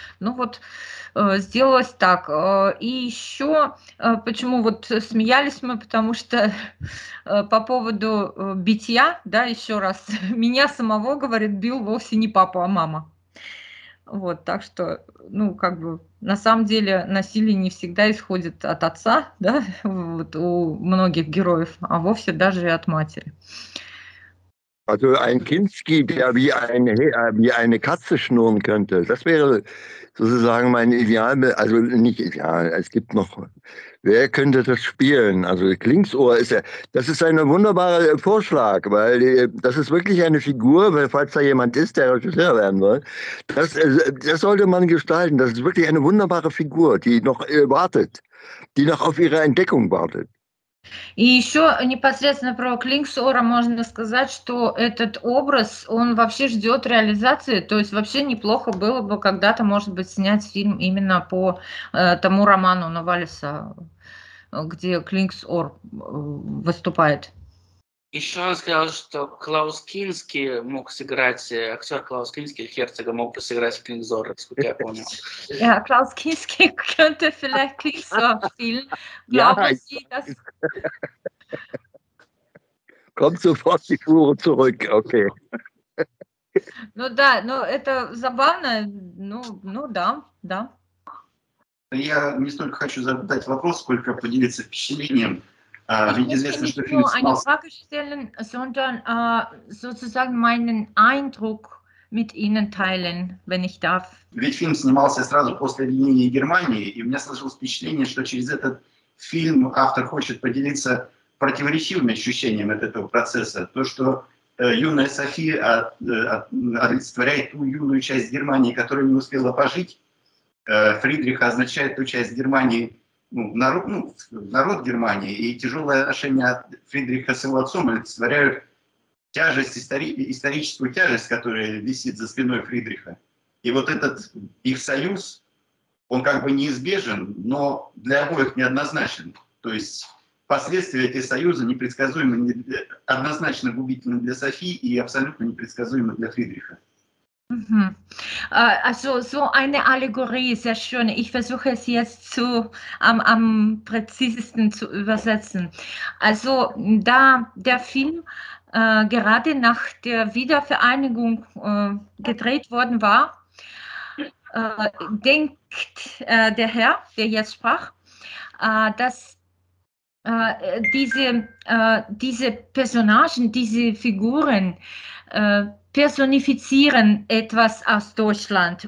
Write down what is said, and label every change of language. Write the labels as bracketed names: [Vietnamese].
[Russian] Ну вот, сделалось так. И еще, почему вот смеялись мы, потому что по поводу битья, да, еще раз, меня самого, говорит, бил вовсе не папа, а мама. Вот, так что, ну, как бы, на самом деле насилие не всегда исходит от отца, да, вот у многих героев, а вовсе даже и от матери. [German] Also ein Kinski, der wie eine Katze schnurren könnte, das wäre sozusagen mein Idealbild. Also nicht ideal, es gibt noch, wer könnte das spielen? Also Klingsohr ist ja, das ist ein wunderbarer Vorschlag, weil das ist wirklich eine Figur, weil falls da jemand ist, der Regisseur werden will, das sollte man gestalten. Das ist wirklich eine wunderbare Figur, die noch wartet, die noch auf ihre Entdeckung wartet. [Russian] И еще непосредственно про Клингсора можно сказать, что этот образ, он вообще ждет реализации, то есть вообще неплохо было бы когда-то, может быть, снять фильм именно по тому роману Новалиса, где Клингсор выступает. Еще он сказал, что Клаус Кински мог сыграть, актер Клаус Кински, Херцога, мог бы сыграть Клингсор, насколько я понял. [German] Ja, Клаус Кински könnte vielleicht Klingsor spielen. Glauben Sie das? Kommt sofort die Fuhre zurück, okay. [Russian] Ну да, но это забавно, ну да, да. Я не столько хочу задать вопрос, сколько поделиться впечатлением. Ведь известно, что фильм снялся... Ну, а не [German] Frage stellen, sondern sozusagen meinen Eindruck mit Ihnen teilen, wenn ich darf. [Russian] Ведь фильм снимался сразу после объединения Германии, и у меня сложилось впечатление, что через этот фильм автор хочет поделиться противоречивыми ощущениями от этого процесса. То, что юная София олицетворяет ту юную часть Германии, которая не успела пожить, Фридриха означает ту часть Германии, народ Германии, и тяжелое отношение от Фридриха с его отцом олицетворяют тяжесть, историческую тяжесть, которая висит за спиной Фридриха. И вот этот их союз, он как бы неизбежен, но для обоих неоднозначен. То есть последствия этого союза непредсказуемы, однозначно губительны для Софии и абсолютно непредсказуемы для Фридриха. [German] Also so eine Allegorie, sehr schön. Ich versuche es jetzt am präzisesten zu übersetzen. Also da der Film gerade nach der Wiedervereinigung gedreht worden war, denkt der Herr, der jetzt sprach, dass diese Personagen, diese Figuren personifizieren etwas aus Deutschland.